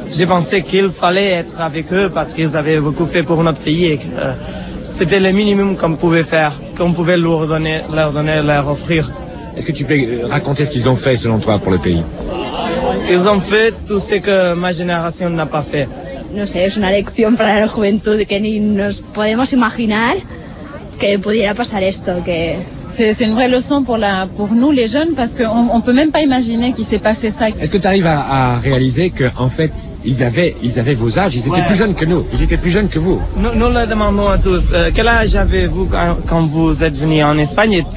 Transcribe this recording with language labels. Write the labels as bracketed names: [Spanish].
[French] J'ai pensé qu'il fallait être avec eux parce qu'ils avaient beaucoup fait pour notre pays et que c'était le minimum qu'on pouvait faire, qu'on pouvait leur offrir. Est-ce que tu peux raconter ce qu'ils ont fait selon toi pour le pays? Ils ont fait tout ce que ma génération n'a pas fait. [Spanish] No sé, es una lección para la juventud que ni nos podemos imaginar que pudiera pasar esto, que... [French] C'est une vraie leçon pour nous, les jeunes, parce qu'on ne peut même pas imaginer qu'il s'est passé ça. Est-ce que tu arrives à réaliser qu'en fait, ils avaient vos âges, ils étaient plus jeunes que nous, ils étaient plus jeunes que vous? Nous le demandons à tous, quel âge avez-vous quand vous êtes venus en Espagne?